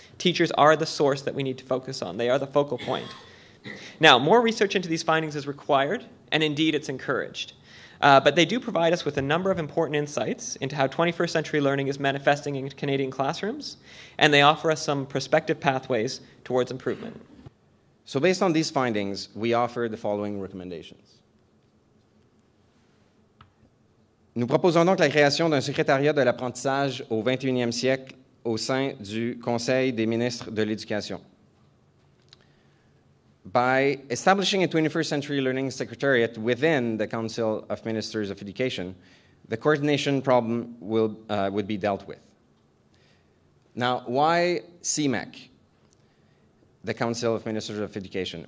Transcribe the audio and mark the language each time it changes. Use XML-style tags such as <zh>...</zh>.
<en>Teachers are the source that we need to focus on. They are the focal point. Now, more research into these findings is required, and indeed it's encouraged. But they do provide us with a number of important insights into how 21st century learning is manifesting in Canadian classrooms, and they offer us some prospective pathways towards improvement. So based on these findings, we offer the following recommendations.</en> <fr>Nous proposons donc la création d'un secrétariat de l'apprentissage au 21e siècle au sein du Conseil des ministres de l'Éducation.</fr> <en>By establishing a 21st century learning secretariat within the Council of Ministers of Education, the coordination problem would be dealt with. Now, why CMEC, the Council of Ministers of Education?</en>